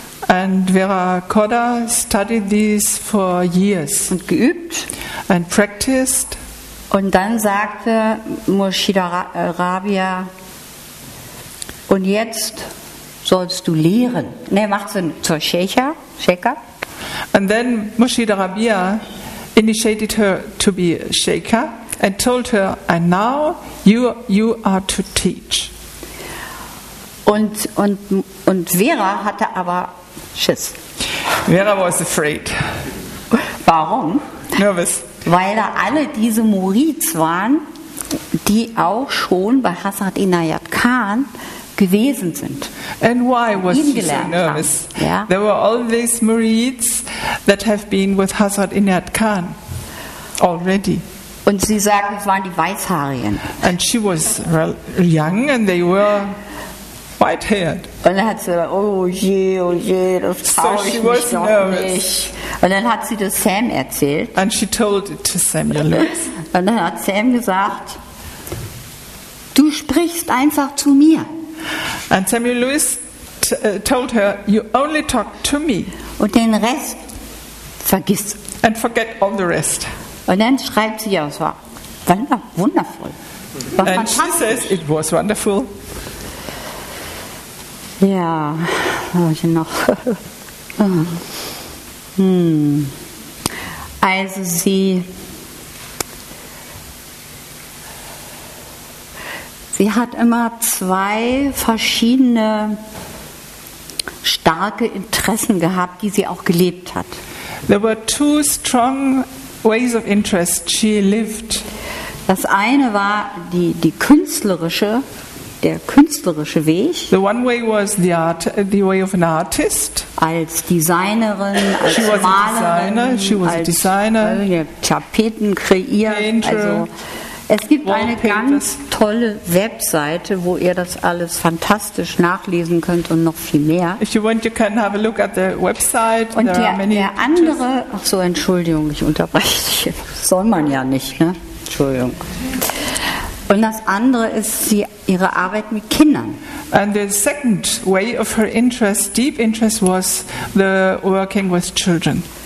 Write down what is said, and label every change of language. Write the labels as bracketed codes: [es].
[en] And Vera Korda studied these for years. [de] Und geübt. [en] And practiced. [de] Und dann sagte Moshida Rabia, und jetzt sollst du lehren. Ne, macht's zur Sheikha. [en] And then Moshida Rabia initiated her to be a Sheikha and told her, and now you are to teach. [de] Und Vera hatte aber Schiss. [en] Vera was afraid. [de] Warum? [en] Nervous. [de] Weil da alle diese Murids waren, die auch schon bei Hazrat Inayat Khan gewesen sind. [en] And why was she so nervous? Ja? There were all these Murids that have been with Hazrat Inayat Khan already. [de] Und sie sagen, es waren die Weißhaarigen. [en] And she was young and they were white-haired. [de] Und dann hat sie gesagt, oh je, das traue ich mich doch nicht. Und dann hat sie das Sam erzählt. [en] And she told it to Samuel Lewis. [de] Und dann hat Sam gesagt, du sprichst einfach zu mir. [en] And Samuel Lewis told her, you only talk to me. [de] Und den Rest vergiss. [en] And forget all the rest. [de] Und dann schreibt sie, ja, es war wundervoll. [en] War and she says, it was wonderful. [de] Ja, was habe ich noch? Also sie hat immer zwei verschiedene starke Interessen gehabt, die sie auch gelebt hat. [en] There were two strong ways of interest she lived. [de] Das eine war die künstlerische. Der künstlerische Weg. [en] The one way was the way of an artist. [de] Als Designerin, als [en] she was [de] Malerin, [en] a designer, she was [de] als [en] a designer, [de] Tapeten kreiert. [en] Painter, [de] also, es gibt eine ganz tolle Webseite, wo ihr das alles fantastisch nachlesen könnt und noch viel mehr. [en] If you want, you can have a look at the website. [de] Und [en] there [de] der, [en] are many [de] der andere, ach so, Entschuldigung, ich unterbreche dich. Soll man ja nicht, ne? Entschuldigung. Und das andere ist ihre Arbeit mit Kindern. [en] And the second way of her interest, deep interest, was the working with children.